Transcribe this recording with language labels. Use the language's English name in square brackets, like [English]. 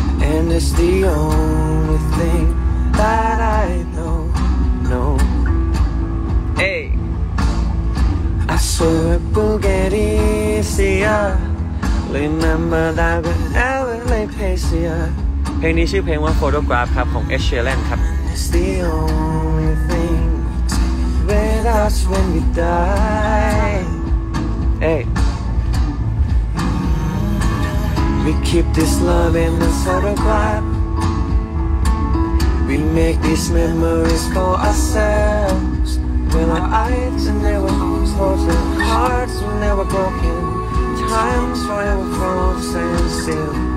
[English] And it's the only thing that I know. No. Hey. I swear it will get easier. Remember that whenever they pace you. [Thai] เพลงนี้ชื่อเพลงว่า Photograph ครับของ Ed Sheeran ครับ [English] It's the only thing with us when we die. Hey. We keep this love in the photograph. We make these memories for ourselvesWhen our eyes are never closed, hearts are never broken, time's forever frozen still.